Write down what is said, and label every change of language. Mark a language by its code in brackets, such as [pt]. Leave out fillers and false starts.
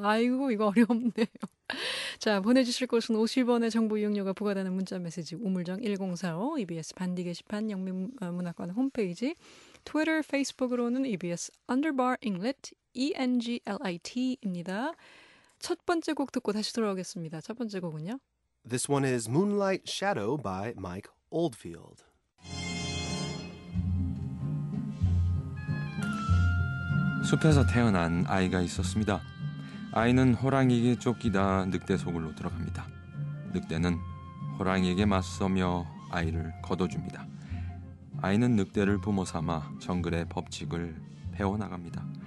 [ko] 아이고 이거 어렵네요. 자, 보내주실 곳은 50원의 정보 이용료가 부과되는 문자메시지 우물정 1045 EBS 반디 게시판 영미문학관 홈페이지 트위터 페이스북으로는 EBS Underbar English ENGLIT입니다. 첫 번째 곡 듣고 다시 돌아오겠습니다. 첫 번째 곡은요? [en] This one is Moonlight Shadow by Mike Oldfield. [ko] 숲에서 태어난 아이가 있었습니다. 아이는 호랑이에게 쫓기다 늑대 속으로 들어갑니다. 늑대는 호랑이에게 맞서며 아이를 거둬줍니다. 아이는 늑대를 부모삼아 정글의 법칙을 배워나갑니다.